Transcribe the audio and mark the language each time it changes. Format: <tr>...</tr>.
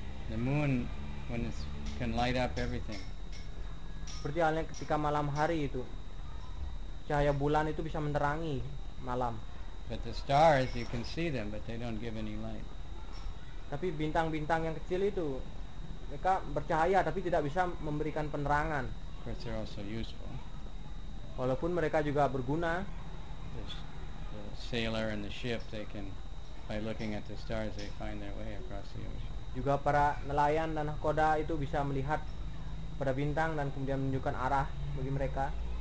<en>The moon when it can light up everything.</en> <id>Seperti halnya ketika malam hari itu, cahaya bulan itu bisa menerangi malam.</id> <en>But the stars, you can see them, but they don't give any light.</en> <id>Tapi bintang-bintang yang kecil itu, mereka bercahaya tapi tidak bisa memberikan penerangan.</id> <en>Of course they're also useful.</en> <id>Walaupun mereka juga berguna.</id> <en>The sailor and the ship, they can, by looking at the stars, they find their way across the ocean.</en> <id>Juga para nelayan dan nahkoda itu bisa melihat pada bintang dan kemudian menunjukkan arah bagi mereka.</id>